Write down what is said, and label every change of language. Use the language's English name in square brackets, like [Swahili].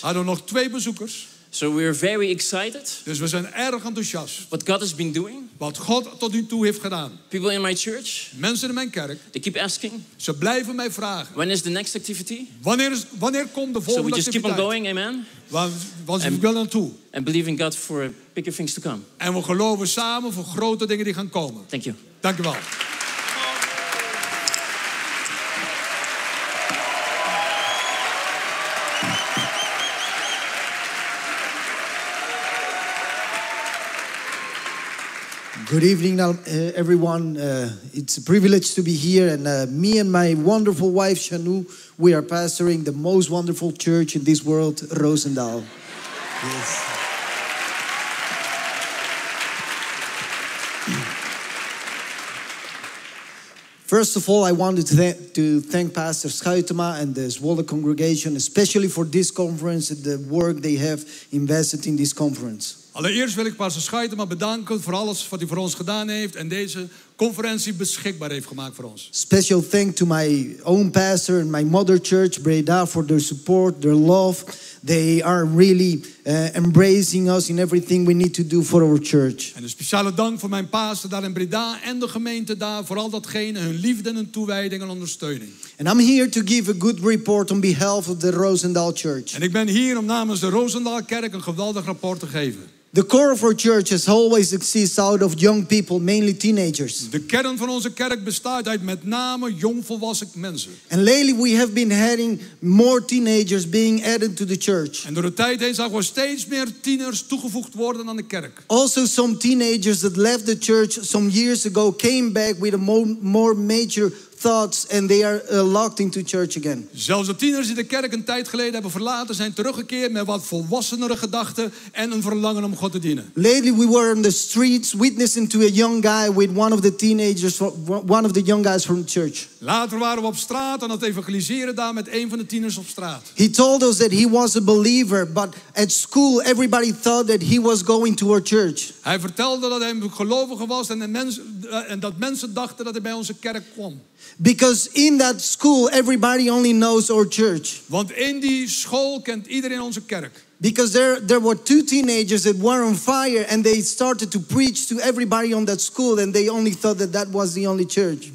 [Dutch] Hadden we nog 2 bezoekers. [English] So we are very excited. [Dutch] Dus we zijn erg enthousiast. [English] What God has been doing. [Dutch] Wat God tot nu toe heeft gedaan. [English] People in my church. [Dutch] Mensen in mijn kerk. [English] They keep asking. [Dutch] Ze blijven mij vragen. [English] When is the next activity? [Dutch] Wanneer komt de volgende activiteit? [English] So we just keep on going, amen. [Dutch] Waar zijn we naartoe? [English] And believing God for bigger things to come. [Dutch] En we geloven samen voor grote dingen die gaan komen. [English] Thank you. [Dutch] Dank je wel. [English] Good evening, everyone. It's a privilege to be here. And me and my wonderful wife, Shanu, we are pastoring the most wonderful church in this world, Roosendaal. Yes. First of all, I wanted to thank Pastor Schuitema and the Zwolle congregation, especially for this conference and the work they have invested in this conference. [Dutch] Allereerst wil ik Pastor Schuitema bedanken voor alles wat hij voor ons gedaan heeft en deze conferentie beschikbaar heeft gemaakt voor ons. [English] Special thank to my own pastor and my mother church, Breda, for their support, their love. They are really embracing us in everything we need to do for our church. [Dutch] En een speciale dank voor mijn pastor daar in Breda en de gemeente daar voor al datgene, hun liefde en toewijding en ondersteuning. [English] And I'm here to give a good report on behalf of the Roosendaal Church. [Dutch] En ik ben hier om namens de Roosendaal Kerk een geweldig rapport te geven. [English] The core of our church has always existed out of young people, mainly teenagers. [Dutch] De kern van onze kerk bestaat uit met name jongvolwassen mensen. [English] And lately we have been having more teenagers being added to the church. [Dutch] En door de tijd heen zagen we steeds meer tieners toegevoegd worden aan de kerk. [English] Also some teenagers that left the church some years ago came back with a more major thoughts and they are locked into church again. [Dutch] Zelfs de tieners die de kerk een tijd geleden hebben verlaten zijn teruggekeerd met wat volwassenere gedachten en een verlangen om God te dienen. [English] Lately we were on the streets witnessing to a young guy with one of the teenagers, one of the young guys from church. [Dutch] Later waren we op straat aan het evangeliseren daar met een van de tieners op straat. [English] He told us that he was a believer, but at school everybody thought that he was going to our church. [Dutch] Hij vertelde dat hij een gelovige was en dat mensen dachten dat hij bij onze kerk kwam. [English] Because in that school everybody only knows our church. [Dutch] Want in die school kent iedereen onze kerk. [English] Because there were two teenagers that were on fire and they started to preach to everybody on that school and they only thought that that was the only church.